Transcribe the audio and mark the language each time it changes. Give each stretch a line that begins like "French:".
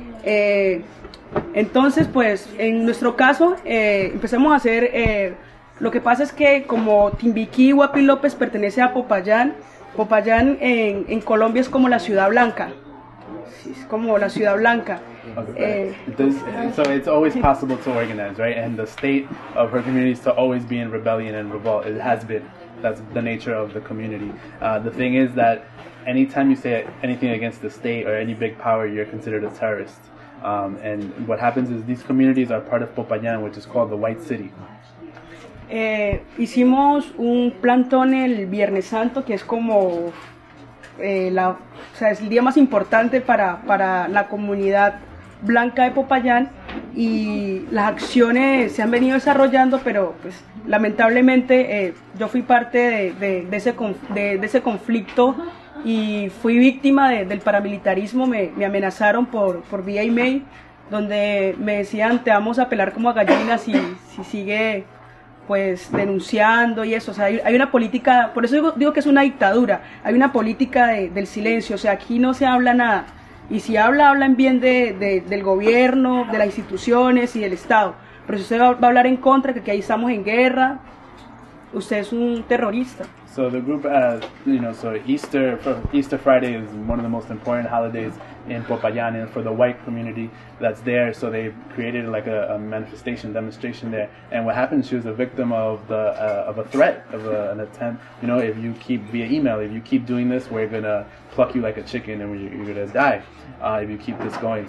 Spanish: Entonces, pues, en nuestro caso, empezamos a hacer, lo que pasa es que como Timbiquí, Huapi López pertenece a Popayán, Popayán en Colombia es como la Ciudad Blanca, es como la Ciudad Blanca.
English: So it's always possible to organize, right? And the state of her community is to always be in rebellion and revolt. It has been. That's the nature of the community. The thing is that anytime you say anything against the state or any big power, you're considered a terrorist. And what happens is these communities are part of Popayán, which is called the White City.
Spanish: Hicimos un plantón el Viernes Santo, que es como... o sea, es el día más importante para la comunidad blanca de Popayán y las acciones se han venido desarrollando, pero pues lamentablemente yo fui parte de ese conflicto y fui víctima del paramilitarismo. Me amenazaron por vía email, donde me decían te vamos a pelar como a gallina si sigue pues denunciando y eso. O sea, hay una política, por eso digo que es una dictadura, hay una política del silencio. O sea, aquí no se habla nada, y si habla en bien del gobierno, de las instituciones y del Estado, pero si usted va a hablar en contra, que ahí estamos en guerra, usted es un terrorista.
English: So the group, Easter Friday is one of the most important holidays in Popayán and for the white community that's there. So they created like a demonstration there. And what happened, she was a victim of an attempt. You know, if you keep via email, if you keep doing this, we're going to pluck you like a chicken and you're going to die if you keep this going.